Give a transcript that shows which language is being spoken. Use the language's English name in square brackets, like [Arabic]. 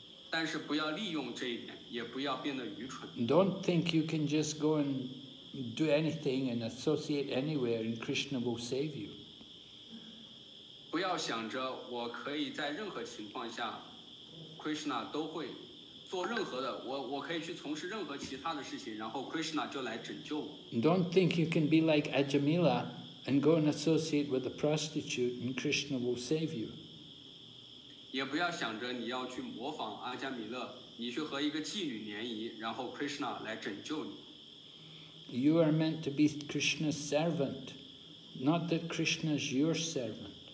[Chinese] 但是不要利用这一点, 也不要变得愚蠢。 [English] Don't think you can just go and do anything and associate anywhere and Krishna will save you. [Chinese] 不要想着我可以在任何情况下, Krishna 都会 做任何的, 我可以去从事任何其他的事情, 然后Krishna就来拯救我。 [English] Don't think you can be like Ajamila and go and associate with a prostitute and Krishna will save you. [Chinese] 也不要想着你要去模仿阿加米勒, 你去和一个妓女联谊, 然后Krishna来拯救你。 [English] You are meant to be Krishna's servant, not that Krishna's your servant.